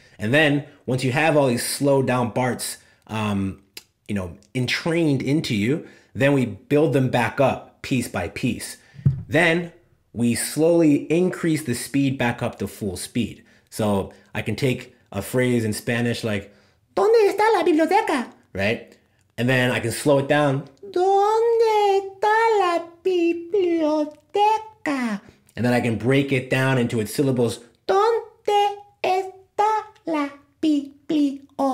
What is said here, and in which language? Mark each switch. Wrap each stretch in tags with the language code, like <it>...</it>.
<en>And then once you have all these slowed down parts, entrained into you, then we build them back up piece by piece. Then we slowly increase the speed back up to full speed. So I can take a phrase in Spanish like,</en> <es>¿Dónde está la biblioteca?</es> <en>Right? And then I can slow it down.</en> <es>¿Dónde está la biblioteca?</es> <en>And then I can break it down into its syllables.</en> <es>¿Dónde está la biblioteca?</es>